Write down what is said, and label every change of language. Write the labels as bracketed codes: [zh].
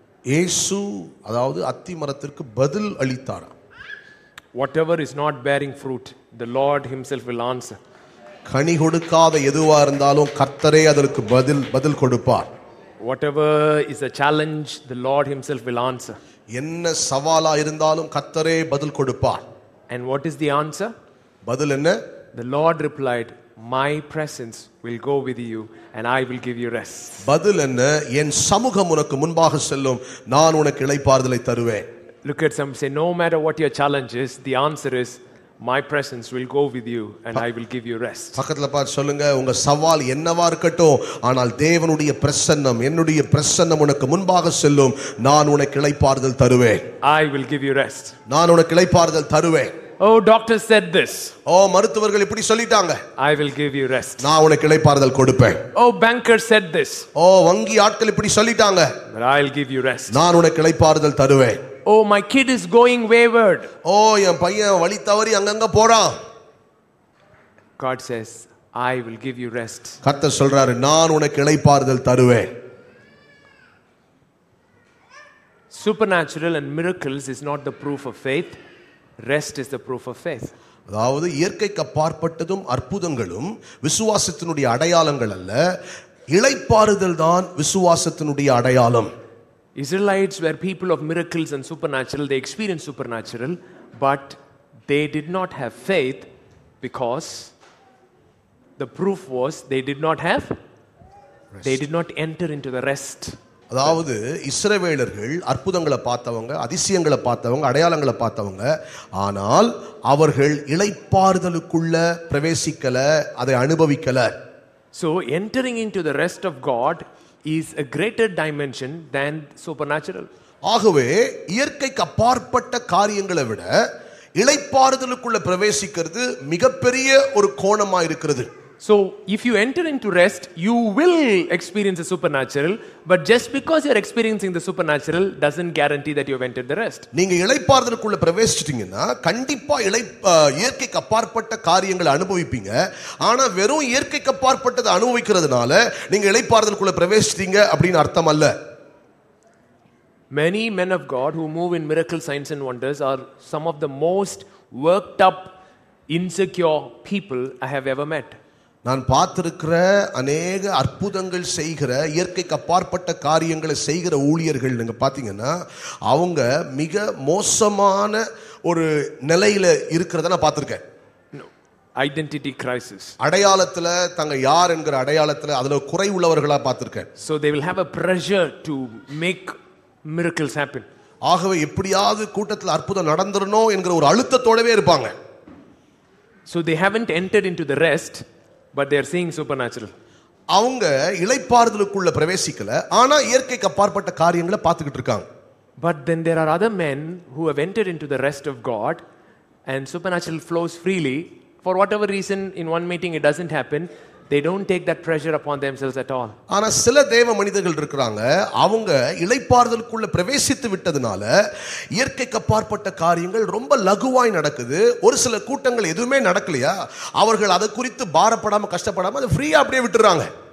[ta] இயேசு அதாவது அத்தி மரத்திற்கு பதில் அளித்தாராம். [en] Whatever is not bearing fruit, the Lord himself will answer. [ta] கனி கொடுக்காத எதுவா இருந்தாலும் கர்த்தரே அதற்கு பதில் கொடுப்பார். [en] Whatever is a challenge, the Lord himself will answer. [ta] என்ன சவாலா இருந்தாலும் கர்த்தரே பதில் கொடுப்பார். [en] And what is the answer? [ta] பதில் என்ன? [en] The Lord replied, my presence will go with you and I will give you rest. [ta] பதில் என்ன? என் சமூகம் உனக்கு முன்பாக செல்லும், நான் உனக்கு இளைப்பாறுதலை தருவேன். [en] Look at some, say, no matter what your challenge is, the answer is my presence will go with you and I will give you rest. [ta] பக்கத்துல பார்த்து சொல்லுங்க, உங்க சவால் என்னவா இருக்கட்டும், ஆனால் தேவனுடைய பிரசன்னம், என்னுடைய பிரசன்னம் உனக்கு முன்பாக செல்லும், நான் உனக்கு இளைப்பாறுதல் தருவேன். [en] I will give you rest. [ta] நான் உனக்கு இளைப்பாறுதல் தருவேன். [en] Oh, doctor said this. [ta] Oh, மருத்துவர்கள் இப்படி சொல்லிட்டாங்க. [en] I will give you rest. [ta] நான் உனக்கு இளைப்பாறுதல் கொடுப்பேன். [en] Oh, banker said this. [ta] Oh, வங்கி ஆட்கள் இப்படி சொல்லிட்டாங்க. [en] But I will give you rest. [ta] நான் உனக்கு இளைப்பாறுதல் தருவேன். [en] Oh, my kid is going wayward. [ta] Oh, என் பையன் வழிதவறி அங்கங்க போறான். [en] God says, I will give you rest. [ta] கர்த்தர் சொல்றாரு, நான் உனக்கு இளைப்பாறுதல் தருவேன். [en] Supernatural and miracles is not the proof of faith. Rest is the proof of faith. [ta] அதாவது இயற்கைக்கு அப்பாற்பட்டதும் அற்புதங்களும் விசுவாசத்தினுடைய அடையாளங்கள் அல்ல, இளைப்பாறுதல் தான் விசுவாசத்தினுடைய அடையாளம். [en] Israelites were people of miracles and supernatural. They experienced supernatural, but they did not have faith because the proof was they did not have rest. They did not enter into the rest. [ta] அதாவது இஸ்ரவேலர்கள் அற்புதங்களை பார்த்தவங்க, அதிசயங்களை பார்த்தவங்க, அடையாளங்களை பார்த்தவங்க, ஆனால் அவர்கள் இளைப்பாறுதலுக்குள்ள பிரவேசிக்கல, அதை அனுபவிக்கல. [en] So entering into the rest of God is a greater dimension than supernatural. [ta] ஆகவே இயற்கைக்கு அப்பாற்பட்ட காரியங்களை விட இளைப்பாறுதலுக்குள்ள பிரவேசிக்கிறது மிகப்பெரிய ஒரு கோணமாக இருக்கிறது. [en] So if you enter into rest, you will experience the supernatural, but just because you are experiencing the supernatural doesn't guarantee that you have entered the rest. [ta] நீங்க இளைப்பாறுதலுக்குள்ள பிரவேசிச்சிட்டீங்கனா கண்டிப்பா இயற்கைக்கு அப்பாற்பட்ட காரியங்களை அனுபவிப்பீங்க. ஆனா வெறும் இயற்கைக்கு அப்பாற்பட்டதை அனுபவிக்கிறதுனால நீங்க இளைப்பாறுதலுக்குள்ள பிரவேசிச்சிட்டீங்க அப்படின அர்த்தம் அல்ல. [en] Many men of God who move in miracle signs and wonders are some of the most worked up insecure people I have ever met. [ta] நான் பார்த்திருக்கிற அநேக அற்புதங்கள் செய்கிற, இயற்கைக்கு அப்பாற்பட்ட காரியங்களை செய்கிற ஊழியர்கள் நீங்க பாத்தீங்கன்னா அவங்க மிக மோசமான ஒரு நிலையில இருக்கிறத நான் பார்த்திருக்கேன். [en] Identity crisis. [ta] அடையாளத்துல தங்க யார் என்கிற அடையாளத்துல அதுல குறை உள்ளவர்களா பார்த்திருக்கேன். [en] So they will have a pressure to make miracles happen. [ta] ஆகவே எப்படியாவது கூட்டத்தில் அற்புதம் நடந்துடணும் என்கிற ஒரு அழுத்தத்தோடவே இருப்பாங்க. [en] So they haven't entered into the rest, but they are seeing supernatural. [ta] அவங்க இளைப்பாறுதலுக்குள்ள பிரவேசிக்கல, ஆனா இயற்கைக்கு அப்பாற்பட்ட காரியங்களை பார்த்துக்கிட்டு இருக்காங்க. [en] But then there are other men who have entered into the rest of God and supernatural flows freely. For whatever reason, in one meeting it doesn't happen. They don't take that pressure upon themselves at all. [ta] ஆனா சில தேவ மனிதர்கள் இருக்காங்க, அவங்க இளைப்பாறுதலுக்குள்ள பிரவேசித்து விட்டதுனால இயற்கைக்கு அப்பாற்பட்ட காரியங்கள் ரொம்ப லகுவாய் நடக்குது. ஒரு சில கூட்டங்கள் எதுவுமே நடக்கலையா, அவர்கள் அதை குறித்து பாரப்படாம கஷ்டப்படாம அதை ஃப்ரீயா அப்படியே விட்டுறாங்க.